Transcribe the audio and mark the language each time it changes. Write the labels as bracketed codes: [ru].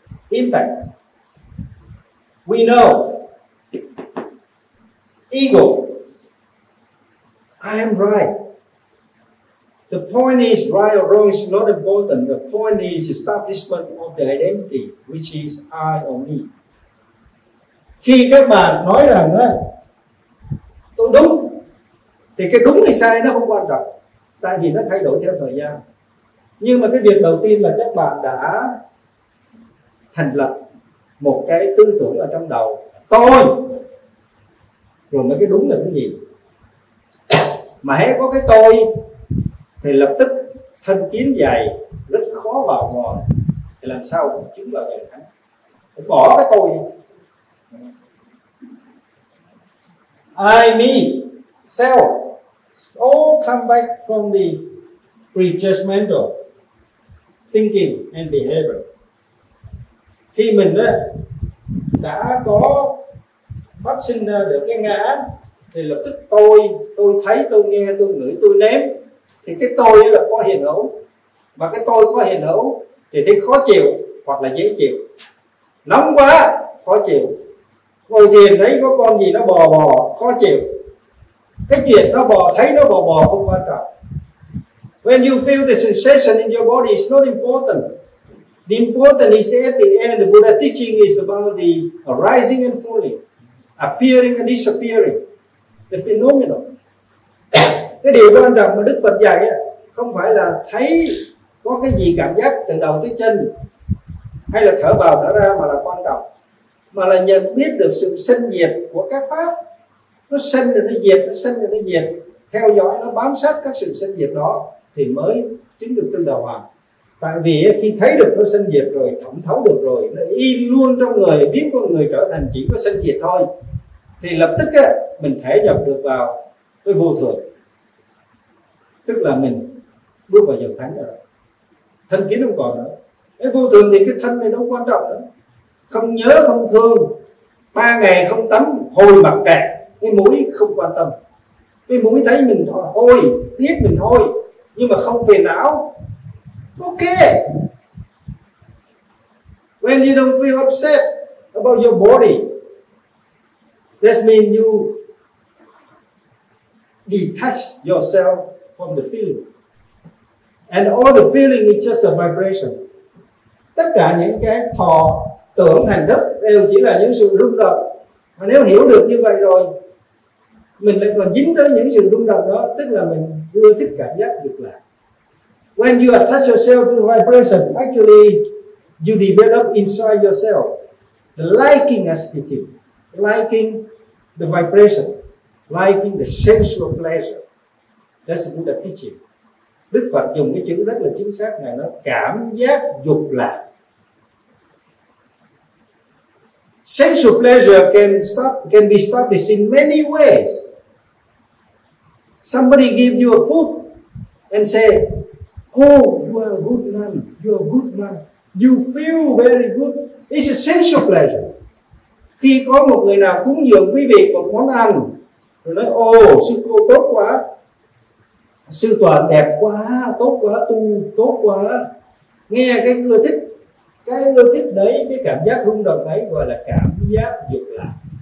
[en] impact. We know ego. I am right. The point is right or wrong is not important. The point is establishment of the identity, which is I or me. [vi] Khi các bạn nói rằng đó, tôi đúng, thì cái đúng hay sai nó không quan trọng, tại vì nó thay đổi theo thời gian. Nhưng mà cái việc đầu tiên là các bạn đã thành lập một cái tư tưởng ở trong đầu tôi, rồi mấy cái đúng là cái gì. Mà hễ có cái tôi thì lập tức thân kiến dày, rất khó vào ngòi, thì làm sao cũng chứng vào ngày thắng. Bỏ cái tôi đi. [en] I, me, self, all come back from the prejudgmental thinking and behavior. [vi] Khi mình đã có phát sinh ra được cái ngã thì lập tức tôi thấy, tôi nghe, tôi ngửi, tôi nếm, thì cái tôi là có hiện hữu. Và cái tôi có hiện hữu thì thấy khó chịu hoặc là dễ chịu. Nóng quá khó chịu, ngồi thiền thấy có con gì nó bò khó chịu. Cái chuyện nó bò, thấy nó bò không quan trọng. [en] When you feel the sensation in your body is not important. The important is at the end, the Buddha teaching is about the arising and falling, appearing and disappearing, the phenomenon. [vi] Cái điều quan trọng mà Đức Phật dạy không phải là thấy có cái gì cảm giác từ đầu tới chân, hay là thở vào thở ra, mà là quan trọng, mà là nhận biết được sự sinh diệt của các pháp. Nó sinh rồi nó diệt, nó sinh rồi nó diệt, theo dõi nó, bám sát các sự sinh diệt đó thì mới chứng được tinh đầu hoàng. Tại vì khi thấy được nó sinh diệt rồi, thẩm thấu được rồi, nó in luôn trong người, biến con người trở thành chỉ có sinh diệt thôi, thì lập tức mình thể nhập được vào cái vô thường, tức là mình bước vào dòng thánh rồi, thân kiến không còn nữa. Cái vô thường thì cái thân này đâu quan trọng nữa. Không nhớ, không thương, 3 ngày không tắm, hôi mặc kẹt, cái mũi không quan tâm, cái mũi thấy mình hôi, biết mình hôi, nhưng mà không phiền não, ok. [en] When you don't feel upset about your body, that means you detach yourself from the feeling. And all the feeling is just a vibration. [vi] Tất cả những cái thọ tưởng hành thức đều chỉ là những sự rung động. Mà nếu hiểu được như vậy rồi, mình lại còn dính tới những sự rung động đó, tức là mình đưa thích cảm giác được lại. [en] When you attach yourself to vibration, actually you develop inside yourself the liking attitude, liking the vibration, liking the sensual pleasure. That's what Buddha teaching. [vi] Đức Phật dùng cái chữ rất là chính xác, ngài nói cảm giác dục lạc. [en] Sensual pleasure can be established in many ways. Somebody give you a food and say, oh, you are a good man, you are a good man, you feel very good. It's a sensual pleasure. [vi] Khi có một người nào cúng dường quý vị một món ăn, rồi nói, sư cô tốt quá, sư tòa đẹp quá, tốt quá, tu tốt quá. Nghe cái ưa thích đấy, cái cảm giác rung động đấy gọi là cảm giác dục lạc.